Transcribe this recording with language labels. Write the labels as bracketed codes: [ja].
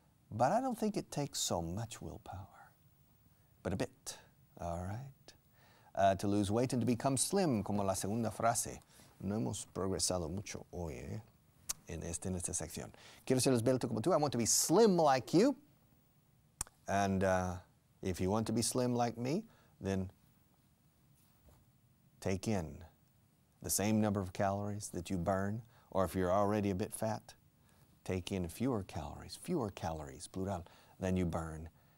[en] But I don't think it takes so much willpower, but a bit, all right? To lose weight and to become slim, [es] como la segunda frase. No hemos progresado mucho hoy, en esta sección. Quiero ser esbelto como tú, [en] I want to be slim like you. And if you want to be slim like me, then take in the same number of calories that you burn, or if you're already a bit fat, take in fewer calories, plural, than you burn.